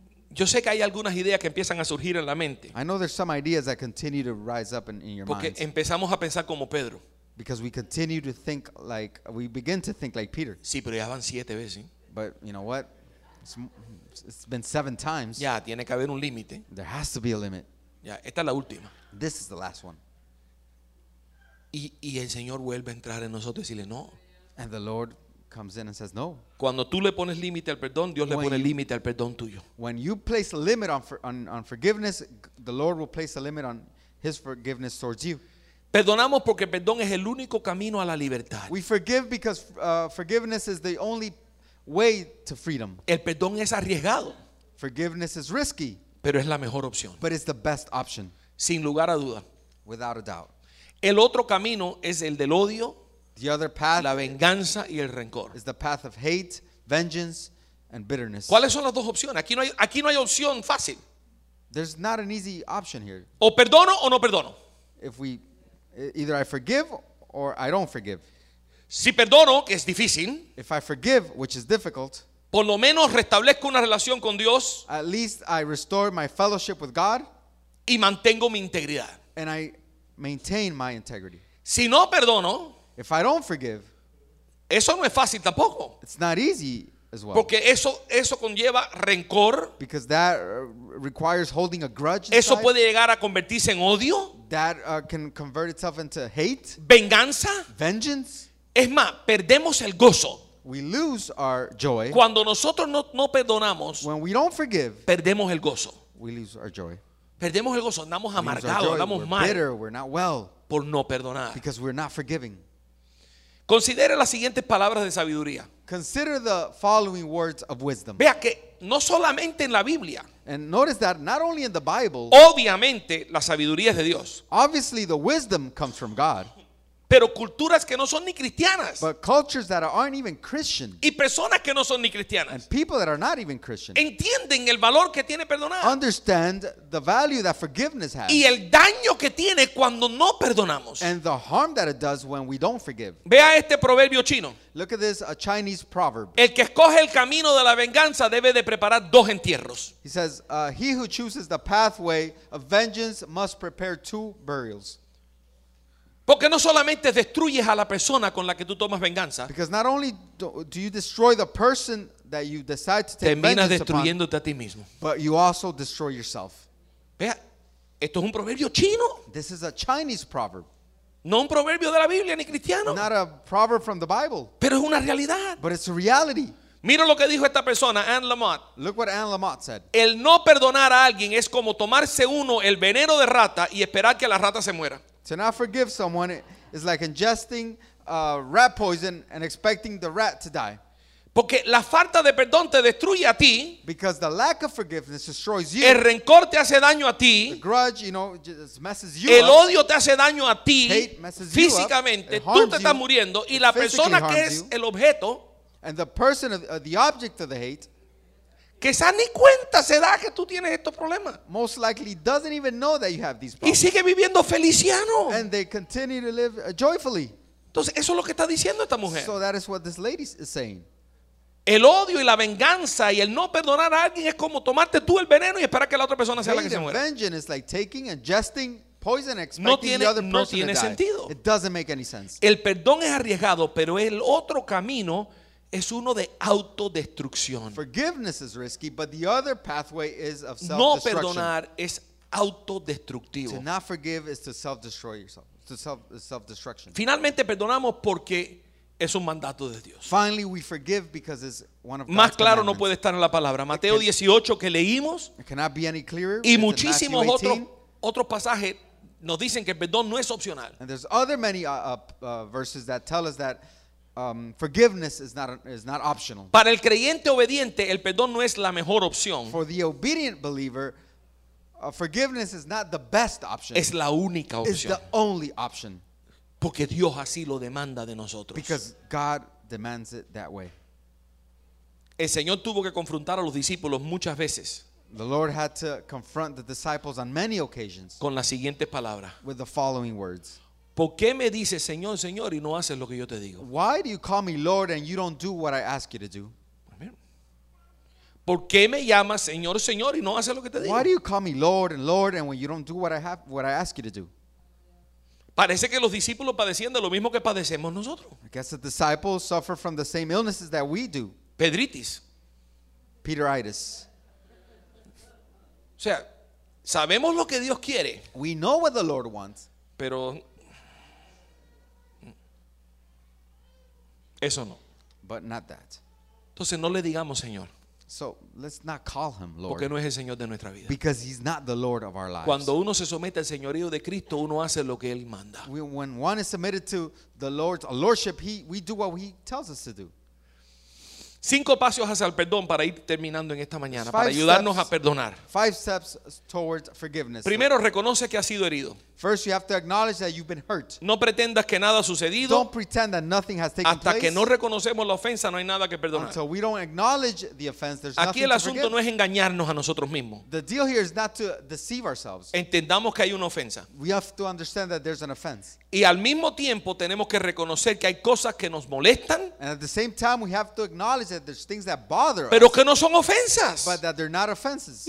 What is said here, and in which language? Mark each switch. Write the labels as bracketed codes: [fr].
[es] Yo sé que hay algunas ideas que empiezan a surgir en la mente. [en] I know there's some ideas that continue to rise up in your mind. [es] Porque empezamos a pensar como Pedro. [en] Because we continue to think like, we begin to think like Peter. [es] Sí, pero ya van siete veces. [en] But you know what? It's been seven times. [es] Ya, tiene que haber un límite. [en] There has to be a limit. [es] Ya, esta es la última. [en] This is the last one. [es] Y el Señor vuelve a entrar en nosotros y decirle no. [en] And the Lord comes in and says no. [es] Cuando tú le pones límite al perdón, Dios le pone límite al perdón tuyo. [en] When you place a limit on forgiveness, the Lord will place a limit on His forgiveness towards you. [es] Perdonamos porque el perdón es el único camino a la libertad. [en] We forgive because forgiveness is the only way to freedom. [es] El perdón es arriesgado. [en] Forgiveness is risky. [es] Pero es la mejor opción. [en] But it's the best option. [es] Sin lugar a duda. [en] Without a doubt. [es] El otro camino es el del odio. [en] The other path, [es] la venganza y el rencor. [en] Is the path of hate, vengeance, and bitterness. [es] ¿Cuáles son las dos opciones? Aquí no hay opción fácil. [en] There's not an easy option here. [es] O perdono o no perdono. [en] If we either I forgive or I don't forgive. [es] Si perdono, que es difícil. [en] If I forgive, which is difficult. [es] Por lo menos restablezco una relación con Dios. [en] At least I restore my fellowship with God. [es] Y mantengo mi integridad. [en] And I maintain my integrity. [es] Si no perdono. [en] If I don't forgive. [es] Eso no es fácil tampoco. [en] It's not easy as well. [es] Porque eso conlleva rencor. [en] Because that requires holding a grudge. [es] Eso [en] inside. [es] Puede llegar a convertirse en odio. [en] That can convert itself into hate. [es] Venganza. [en] Vengeance. [es] Es más, perdemos el gozo. [en] We lose our joy. [es] Cuando nosotros no perdonamos. [en] When we don't forgive. [es] Perdemos el gozo. [en] We lose our joy. [es] Perdemos el gozo. Andamos amargados. Andamos mal. [en] Bitter, we're not well. [es] Por no perdonar. [en] Because we're not forgiving. [es] Considere las siguientes palabras de sabiduría. [en] Consider the following words of wisdom. [es] Vea que no solamente en la Biblia. [en] And notice that not only in the Bible. [es] Obviamente la sabiduría es de Dios. [en] Obviously the wisdom comes from God. [es] Pero culturas que no son ni cristianas. [en] But cultures that aren't even Christian. [es] Y personas que no son ni cristianas. [en] And people that are not even Christian. [es] Entienden el valor que tiene perdonar. [en] Understand the value that forgiveness has. [es] Y el daño que tiene cuando no perdonamos. [en] And the harm that it does when we don't forgive. [es] Vea este proverbio chino. [en] Look at this, a Chinese proverb. [es] El que escoge el camino de la venganza debe de preparar dos entierros. [en] He says, he who chooses the pathway of vengeance must prepare two burials. [es] Porque no solamente destruyes a la persona con la que tú tomas venganza. [en] Because not only do you destroy the person that you decide to take vengeance upon. [es] Terminas destruyéndote a ti mismo. [en] But you also destroy yourself. [es] Vea, esto es un proverbio chino. [en] This is a Chinese proverb. [es] No un proverbio de la Biblia ni cristiano. [en] Not a proverb from the Bible. [es] Pero es una realidad. [en] But it's a reality. [es] Mira lo que dijo esta persona, Anne Lamott. [en] Look what Anne Lamott said. [es] El no perdonar a alguien es como tomarse uno el veneno de rata y esperar que la rata se muera. [en] To not forgive someone is like ingesting rat poison and expecting the rat to die. [es] Porque la falta de perdón te destruye a ti. [en] Because the lack of forgiveness destroys you. [es] El rencor te hace daño a ti. [en] The grudge, you know, just messes you [es] el El odio te hace daño a ti. [en] Hate messes you [es] físicamente. [en] Up. It harms [es] tú te estás muriendo. Y la persona que es [en] you. [es] El objeto. [en] And the person, the object of the hate. [es] Quizá ni cuenta se da que tú tienes estos problemas. [en] Most likely doesn't even know that you have these problems. [es] Y sigue viviendo feliciano. [en] And they continue to live joyfully. [es] Entonces eso es lo que está diciendo esta mujer. [en] So that is what this lady is saying. [es] El odio y la venganza y el no perdonar a alguien es como tomarte tú el veneno y esperar que la otra persona sea la que se muera. [en] Vengeance is like taking and ingesting poison and expecting [es] no tiene, [en] the other person [es] no tiene [en] to [es] sentido. [en] Die. It doesn't make any sense. [es] El perdón es arriesgado, pero el otro camino es uno de autodestrucción. [en] Forgiveness is risky, but the other pathway is of self-destruction. [es] No perdonar es autodestructivo. [en] To not forgive is to self-destroy yourself. To self-destruction. [es] Finalmente perdonamos porque es un mandato de Dios. [en] Finally, we forgive because it's one of God's. [es] Más claro no puede estar en la palabra. Mateo 18 que leímos. [en] It cannot be any clearer. [es] Y muchísimos otros pasajes nos dicen que el perdón no es opcional. [en] And there's other many verses that tell us that. Forgiveness is not optional. [es] Para el creyente obediente, el perdón no es la mejor opción. [en] For the obedient believer, forgiveness is not the best option. [es] Es la única opción. [en] It's the only option. [es] Porque Dios así lo demanda de nosotros. [en] Because God demands it that way. [es] El Señor tuvo que confrontar a los discípulos muchas veces. [en] The Lord had to confront the disciples on many occasions. [es] Con las siguientes palabras. [en] With the following words. [es] ¿Por qué me dices Señor, Señor y no haces lo que yo te digo? [en] Why do you call me Lord and you don't do what I ask you to do? [es] ¿Por qué me llamas Señor, Señor y no haces lo que te digo? [en] Why do you call me Lord and Lord and when you don't do what I ask you to do? [es] Parece que los discípulos padecían de lo mismo que padecemos nosotros. [en] I guess the disciples suffer from the same illnesses that we do. [es] Pedritis. [en] Peteritis. [es] O sea, Sabemos lo que Dios quiere. [en] We know what the Lord wants. [es] Pero eso no. [en] But not that. [es] Entonces no le digamos Señor. [en] So let's not call him Lord. [es] Porque no es el Señor de nuestra vida. [en] Because he's not the Lord of our lives. [es] Cuando uno se somete al señorío de Cristo, uno hace lo que él manda. [en] When one is submitted to the Lord's lordship, we do what he tells us to do. [es] Cinco pasos hacia el perdón para ir terminando en esta mañana, para ayudarnos a perdonar. [en] Five steps towards forgiveness. [es] Primero, reconoce que has sido herido. [en] First, you have to acknowledge that you've been hurt. [es] No pretendas que nada ha sucedido. [en] Don't pretend that nothing has taken [es] hasta [en] place. [es] Que no reconocemos la ofensa, no hay nada que perdonar. [en] Until we don't acknowledge the offense, there's [es] aquí [en] nothing [es] el asunto [en] to forgive. [es] No es engañarnos a nosotros mismos. [en] The deal here is not to deceive ourselves. [es] Entendamos que hay una ofensa. [en] We have to understand that there's an offense. [es] Y al mismo tiempo tenemos que reconocer que hay cosas que nos molestan. [en] And at the same time, we have to acknowledge that there's things that bother [es] pero [en] us. [es] Que no son ofensas. [en] But that they're not offenses.